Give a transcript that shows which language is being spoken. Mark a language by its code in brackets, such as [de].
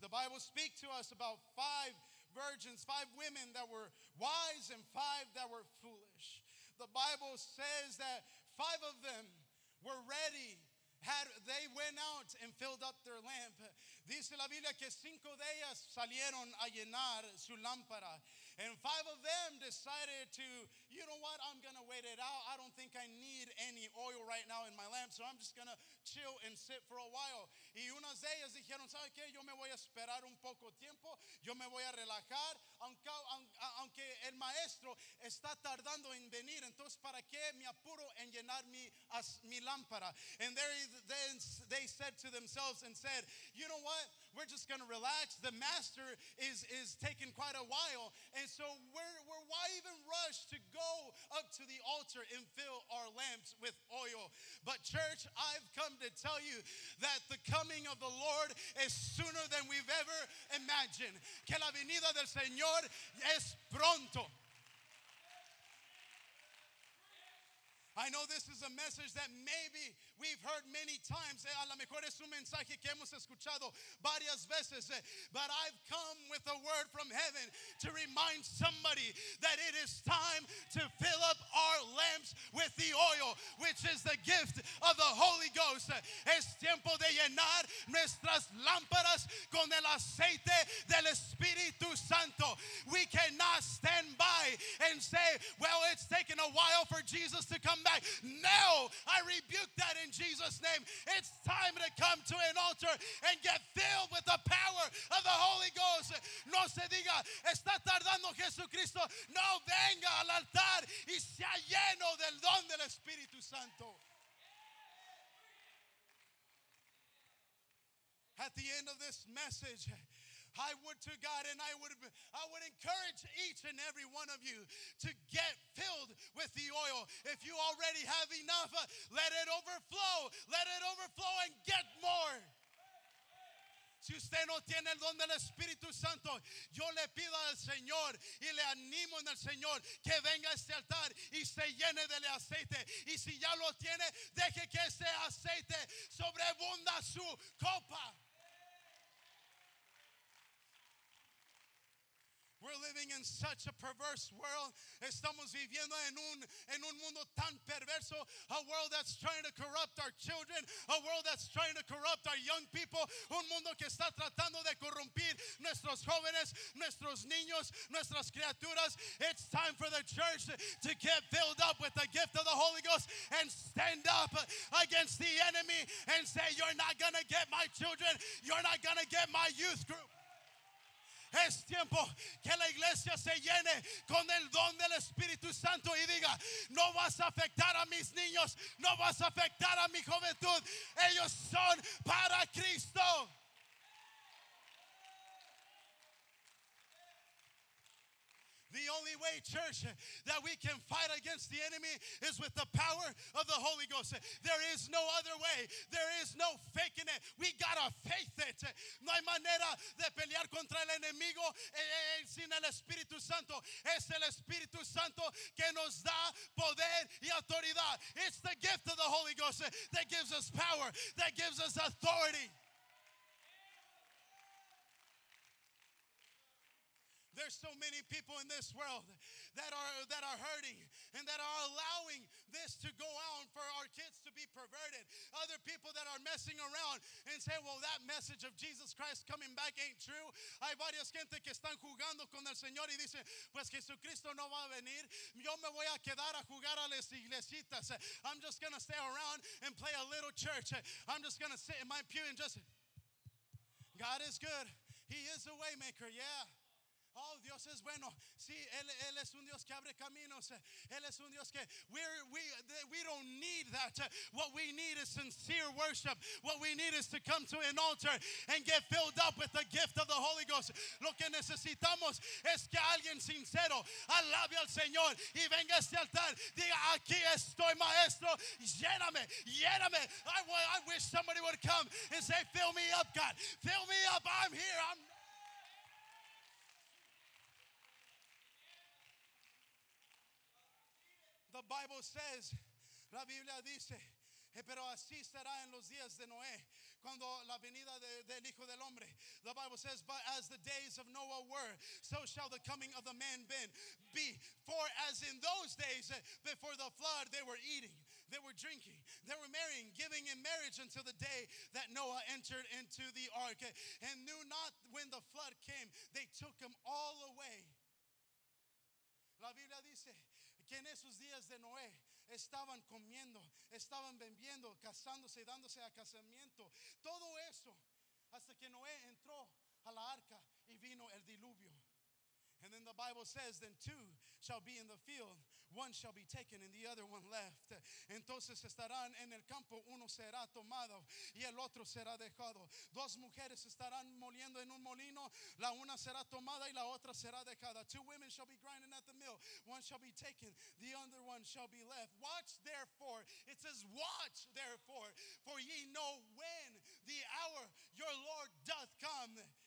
[en] The Bible speaks to us about 5 virgins, 5 women that were wise and 5 that were foolish. The Bible says that 5 of them were ready. They went out and filled up their lamp. [es] Dice la Biblia que 5 de ellas salieron a llenar su lámpara. [en] And 5 of them decided to, you know what, I'm going to wait it out. I don't think I need any oil right now in my lamp, so I'm just going to chill and sit for a while. [es] Y unas de ellas dijeron, ¿sabe qué? Yo me voy a esperar un poco tiempo. Yo me voy a relajar. Aunque el maestro está tardando en venir, entonces, ¿para qué me apuro en llenar mi lámpara? [en] And there then they said to themselves and said, you know what, we're just going to relax. The master is taking quite a while, and so we're why even rush to go up to the altar and fill our lamps with oil? But church, I've come to tell you that the coming of the Lord is sooner than we've ever imagined. [es] Que la venida del Señor es pronto. [en] I know this is a message that maybe we've heard many times. [es] A lo mejor es un mensaje que hemos escuchado varias veces. [en] But I've come with a word from heaven to remind somebody that it is time to fill up our lamps with the oil, which is the gift of the Holy Ghost. [es] Es tiempo de llenar nuestras lámparas con el aceite del Espíritu Santo. [en] We cannot stand by and say, well, it's taken a while for Jesus to come back. No, I rebuke that in Jesus' name. It's time to come to an altar and get filled with the power of the Holy Ghost. [es] No se diga, está tardando Jesucristo. No, venga al altar y sea lleno del don del Espíritu Santo. [en] At the end of this message, I would to God, and I would encourage each and every one of you to get filled with the oil. If you already have enough, let it overflow. Let it overflow and get more. [es] Si usted no tiene el don del Espíritu Santo, yo le pido al Señor y le animo en el Señor que venga a este altar y se llene del aceite. Y si ya lo tiene, deje que ese aceite sobrebunda su copa. [en] We're living in such a perverse world. [es] Estamos viviendo en un mundo tan perverso. [en] A world that's trying to corrupt our children. A world that's trying to corrupt our young people. [es] Un mundo que está tratando de corrompir nuestros jóvenes, nuestros niños, nuestras criaturas. [en] It's time for the church to get filled up with the gift of the Holy Ghost and stand up against the enemy and say, you're not going to get my children. You're not going to get my youth group. [es] Es tiempo que la iglesia se llene con el don del Espíritu Santo y diga, no vas a afectar a mis niños, no vas a afectar a mi juventud, ellos son para Cristo. [en] The only way, church, that we can fight against the enemy is with the power of the Holy Ghost. There is no other way. There is no faking it. We gotta faith it. [es] No hay manera de pelear contra el enemigo sin el Espíritu Santo. Es el Espíritu Santo que nos da poder y autoridad. [en] It's the gift of the Holy Ghost that gives us power, that gives us authority. There's so many people in this world that are hurting and that are allowing this to go on for our kids to be perverted. Other people that are messing around and say, well, that message of Jesus Christ coming back ain't true. [es] Hay varias gente que están jugando con el Señor y dicen, pues Jesucristo no va a venir. Yo me voy a quedar a jugar a las iglesitas. [en] I'm just going to stay around and play a little church. I'm just going to sit in my pew and just, God is good. He is a way maker, yeah. Oh, [es] Dios es bueno. Sí, él es un Dios que abre caminos. Él es un Dios que [en] we don't need that. What we need is sincere worship. What we need is to come to an altar and get filled up with the gift of the Holy Ghost. [es] Lo que necesitamos es que alguien sincero alabe al Señor y venga a este altar. Diga, aquí estoy, maestro. Lléname, lléname. [en] I wish somebody would come and say, fill me up, God. Fill me up. I'm here. I'm The Bible says, [es] la Biblia dice, pero así será en los días de Noé, cuando la venida del Hijo del Hombre. [en] The Bible says, but as the days of Noah were, so shall the coming of the man be. For as in those days before the flood, they were eating, they were drinking, they were marrying, giving in marriage until the day that Noah entered into the ark and knew not when the flood came. They took them all away. [es] La Biblia dice que en esos días de Noé estaban comiendo, estaban bebiendo, casándose, dándose a casamiento. Todo eso hasta que Noé entró a la arca y vino el diluvio. [en] And then the Bible says, then two shall be in the field, one shall be taken and the other one left. [es] Entonces estarán en el campo, uno será tomado y el otro será dejado. Dos mujeres estarán moliendo en un molino, la una será tomada y la otra será dejada. [en] Two women shall be grinding at the mill, one shall be taken, the other one shall be left. Watch therefore, it says watch therefore, for ye know when the hour your Lord doth come.